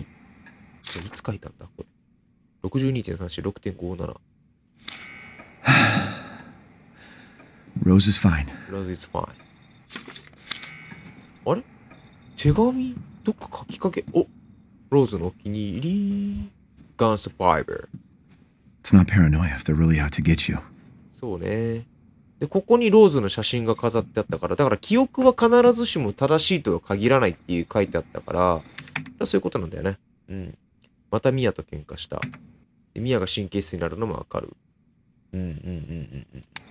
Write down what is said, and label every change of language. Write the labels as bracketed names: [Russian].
[Japanese] いつ書いたんだこれ。62.36.57。 [English] Rose is fine. Rose is fine. [Japanese] あれ？手紙どっか書きかけ。お、Rose のお気に入り。 [English] Gun survivor. It's not paranoia if they're really out to get you. [Japanese] そうね。でここにローズの写真が飾ってあったから、だから記憶は必ずしも正しいとは限らないっていう書いてあったから、だからそういうことなんだよね。うん。またミアと喧嘩した。でミアが神経質になるのもわかる。うんうんうんうん。